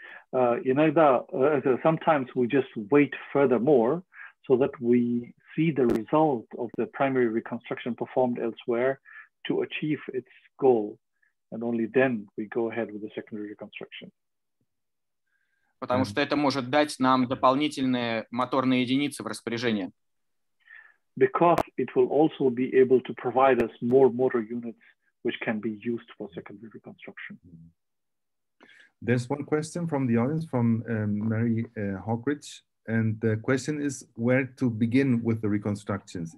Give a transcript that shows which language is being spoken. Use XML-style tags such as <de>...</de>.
<ru>Иногда,</ru> <en>sometimes we just wait furthermore so that we see the result of the primary reconstruction performed elsewhere to achieve its goal, and only then we go ahead with the secondary reconstruction.</en> <ru>Потому что это может дать нам дополнительные моторные единицы в распоряжение.</ru> <en>Because it will also be able to provide us more motor units which can be used for secondary reconstruction. There's one question from the audience, from Mary Hawkridge, and the question is where to begin with the reconstructions.</en>